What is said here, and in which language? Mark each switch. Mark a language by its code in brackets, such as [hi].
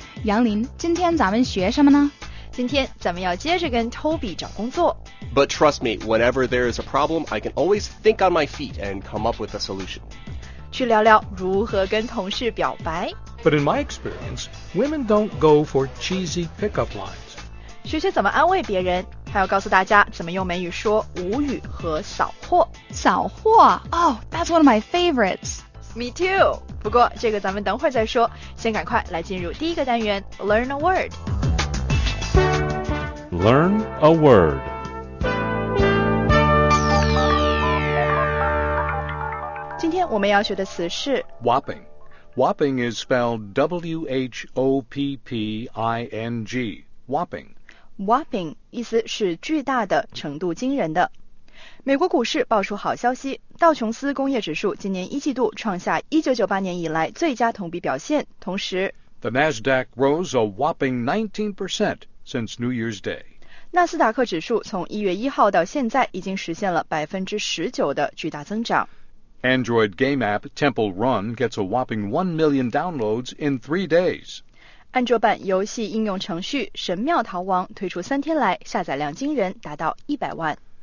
[zh] 杨林，今天咱们学什么呢？今天咱们要接着跟 Toby 找工作。 [en] But trust me, whenever there is a problem, I can always think on my feet and come up with a solution. [zh] 去聊聊如何跟同事表白。 [en] But in my experience, women don't go for cheesy pickup lines. [zh] 学学怎么安慰别人，还要告诉大家怎么用美语说无语和扫货。扫货？ [en] Oh, that's one of my favorites. Me too. [zh] 不过这个咱们等会儿再说，先赶快来进入第一个单元 Learn a word. [en] Learn a word. [zh] 今天我们要学的词是 [en] whopping. Whopping is spelled W-H-O-P-P-I-N-G. Whopping. [zh] Whopping 意思是巨大的，程度惊人的。美国股市爆出好消息，道琼斯工业指数今年一季度创下1998年以来最佳同比表现，同时 [en] The Nasdaq rose a whopping 19% since New Year's Day. [zh] 纳斯达克指数从1月1号到现在已经实现了 19% 的巨大增长。 [en] Android game app Temple Run gets a whopping 1 million downloads in 3 days. [zh] 安卓版游戏应用程序《神庙逃亡》推出三天来，下载量惊人，达到100万。